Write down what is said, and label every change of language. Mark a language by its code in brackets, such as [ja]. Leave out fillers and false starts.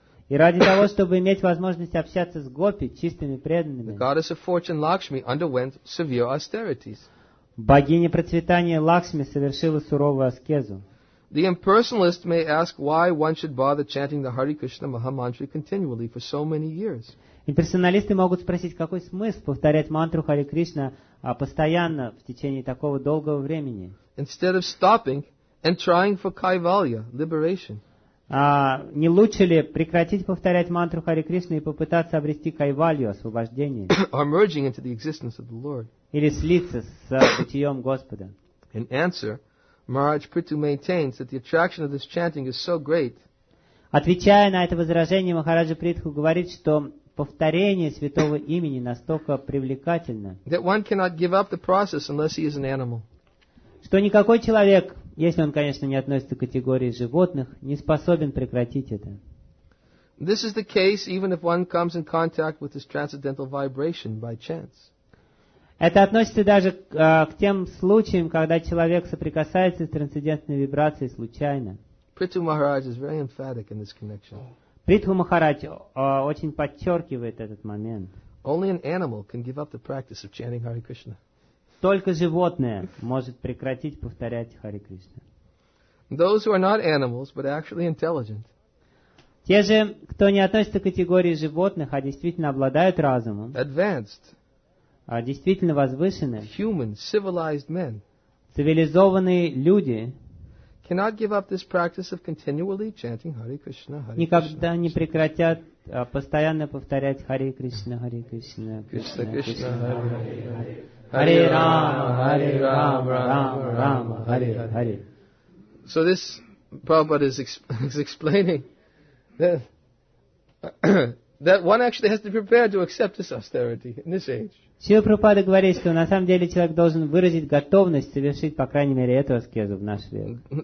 [ru] И ради того, чтобы иметь возможность общаться с гопи, чистыми преданными, [en] the goddess of fortune Lakshmi underwent severe austerities. [ru] Богиня процветания Лакшми совершила суровую аскезу. [en] The impersonalist may ask why one should bother chanting the Hare Krishna Maha Mantra continually for so many years. [ru] Имперсоналисты могут спросить, какой смысл повторять мантру Харе Кришна постоянно в течение такого долгого времени? [en] Instead of stopping and trying for Kaivalya, liberation. [ru] Не лучше ли прекратить повторять мантру Харе Кришна и попытаться обрести Кайвалью, освобождение? [en] Or merging into the existence of the Lord. [ru] Или слиться с бытием Господа? [en] In answer, Maharaj Prithu maintains that the attraction of this chanting is so great. [ru] Отвечая на это возражение, Махараджа Притху говорит, что повторение святого имени настолько привлекательно, [en] that one cannot give up the process unless he is an animal. [ru] Что никакой человек, если он, конечно, не относится к категории животных, не способен прекратить это. [en] This is the case even if one comes in contact with this transcendental vibration by chance. [ru] Это относится даже к тем случаям, когда человек соприкасается с трансцендентной вибрацией случайно. [en] Prithu Maharaj is very emphatic in this connection. [ru] Притху Махарадж очень подчеркивает этот момент. [en] Only an animal can give up the practice of chanting Hare Krishna. [ru] Только животное может прекратить повторять Харе Кришна. [en] Those who are not animals, but actually intelligent. [ru] Те же, кто не относится к категории животных, а действительно обладают разумом. [en] Advanced. [ru] Действительно возвышенные. [en] Human, civilized men. [ru] Цивилизованные люди. [en] Cannot give up this practice of continually chanting Hare Krishna, Hare [ru] Никогда [en] Krishna. [ru] Никогда не прекратят постоянно повторять Hare Krishna, Hare Krishna, Krishna [sa] Krishna, Krishna, Krishna Hare Hare, Hare Rama, Hare Rama, Rama Rama, Hare Hare. [en] So this Prabhupada is explaining that one actually has to be prepared to accept this austerity in this age. [ru] Сила Прабхупада говорит, что на самом деле человек должен выразить готовность совершить, по крайней мере, эту аскезу в наш век.